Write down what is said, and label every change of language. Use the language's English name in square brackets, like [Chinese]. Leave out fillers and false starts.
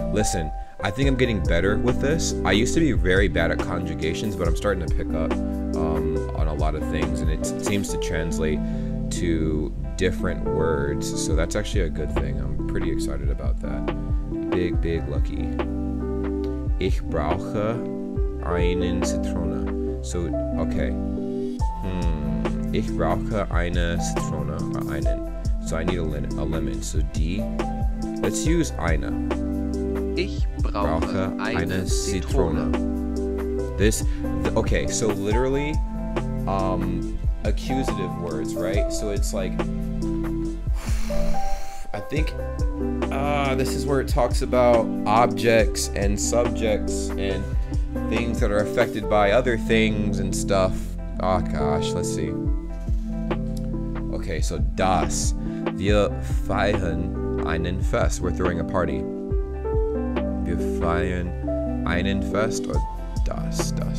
[English] Listen, I think I'm getting better with this. I used to be very bad at conjugations, but I'm starting to pick up on a lot of things, and it seems to translate to different words, so that's actually a good thing. I'm pretty excited about that. Big lucky. [German] Ich brauche einen Zitrone. So, okay. Ich brauche eine Zitrone. [English] Einen. So I need a lemon. So die. Let's use eine. [German] Ich brauche eine Zitrone. [English] Okay, so literally, accusative words, right? So it's like, I think this is where it talks about objects and subjects and things that are affected by other things and stuff. Oh gosh, let's see. Okay, so das, [German] wir feiern einen Fest. [English] We're throwing a party. [German] Wir feiern einen Fest, or das.